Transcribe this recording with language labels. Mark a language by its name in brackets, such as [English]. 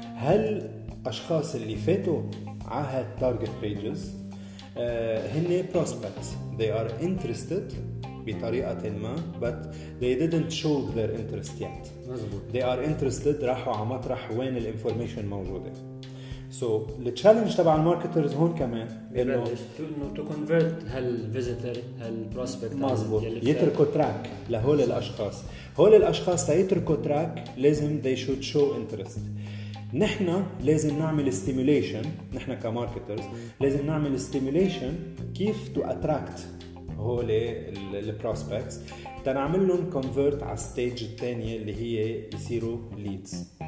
[Arabic] هل اشخاص اللي فاتوا على هالتارجت بيجز هن بروسبكتس، [English] they are interested [Arabic] بطريقة ما، [English] but they didn't show their interest yet. [Arabic] مزبوط. [English] They are interested، [Arabic] راحوا على مطرح وين الانفورميشن موجودة. [English] So the challenge [Arabic] تبع الماركترز هون كمان إنه [English] to convert [Arabic] هالvisitor هالprospect. مزبوط. يتركوا تراك لهول الأشخاص. هول الأشخاص تيتركوا تراك لازم [English] they should show interest. [Arabic] نحنا لازم نعمل stimulation، نحنا كماركترز لازم نعمل stimulation كيف [English] to attract [Arabic] هول البروسبكتس تنعمل لهم كونفرت على الستيج الثانيه اللي هي يصيروا ليدز.